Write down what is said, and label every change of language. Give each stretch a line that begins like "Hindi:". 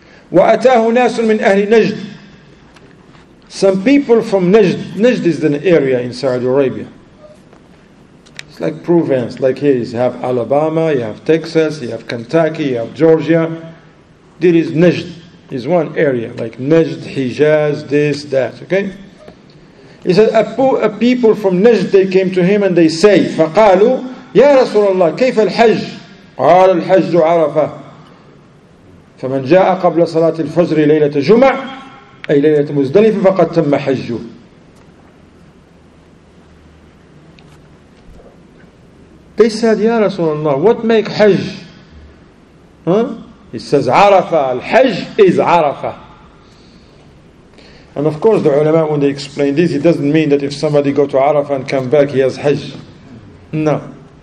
Arabic: وَأَتَاهُ نَاسٌ مِنْ أَهْلِ نَجْدٍ.
English: Some people from Najd. Najd is an area in Saudi Arabia. It's like Provence. Like here, you have Alabama, you have Texas, you have Kentucky, you have Georgia. There is Najd. It's one area, like Najd, Hijaz, this, that, okay? He said, a people from Najd, they came to him and they say,
Arabic: فَقَالُوا يَا رَسُولَ اللَّهِ كَيْفَ الْحَجُّ قَالَ الْحَجُّ عَرَفَةِ فَمَنْ جَاءَ قَبْلَ صَلَاةِ الْفَجْرِ لَيْلَةَ جُمَعَ أي لَيْلَةَ مُزْدَلِفَ فَقَدْ تَمَّ حَجُّ.
English: They said,
Arabic: يَا رَسُولَ اللَّهِ,
English: what make Hajj? Huh? He says, عَرَفَةَ, الْحَجْ is عَرَفَةَ. And of course, the ulama, when they explain this, it doesn't mean that if somebody go to Arafah and come back, he has Hajj. No.